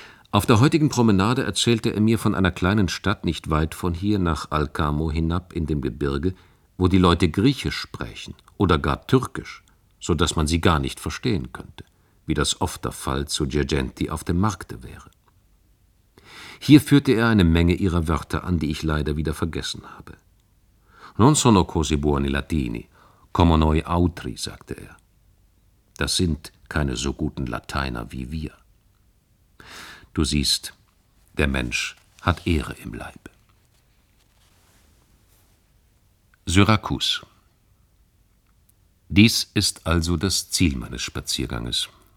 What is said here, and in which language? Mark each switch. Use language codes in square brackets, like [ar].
[de] Auf der heutigen Promenade erzählte er mir von einer kleinen Stadt nicht weit von hier nach Alcamo hinab in dem Gebirge, wo die Leute Griechisch sprechen oder gar Türkisch, so dass man sie gar nicht verstehen könnte, wie das oft der Fall zu Girgenti auf dem Markte wäre. Hier führte er eine Menge ihrer Wörter an, die ich leider wieder vergessen habe. [it] Non sono così buoni latini, come noi autri, [de] sagte er. Das sind keine so guten Lateiner wie wir. Du siehst, der Mensch hat Ehre im Leib. Syrakus. Dies ist also das Ziel meines Spazierganges.